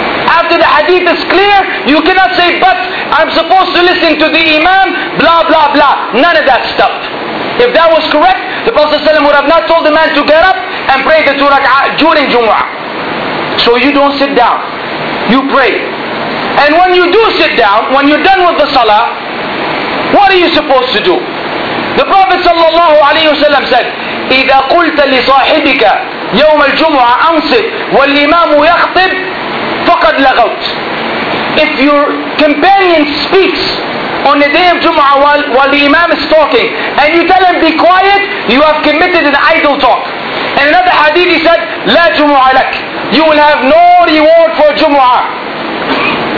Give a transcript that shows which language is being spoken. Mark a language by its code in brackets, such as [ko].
[en] After the hadith is clear, you cannot say, but I'm supposed to listen to the Imam, blah, blah, blah. None of that stuff. If that was correct, the Prophet ﷺ would have not told the man to get up and pray the 2 rak'ah during Jumu'ah. So you don't sit down. You pray. And when you do sit down, when you're done with the salah, what are you supposed to do? The Prophet sallallahu alayhi wasallam said, [ar] إِذَا قُلْتَ لِصَاحِبِكَ يَوْمَ الْجُمُعَةِ أَنْصِبْ وَالْإِمَامُ يَخْطِبْ فَقَدْ لَغَوْتْ. [en] If your companion speaks on the day of Jumu'ah while the Imam is talking, and you tell him be quiet, you have committed an idle talk. In another hadith he said, [ar] لا جمعه لك. [en] You will have no reward for Jumu'ah.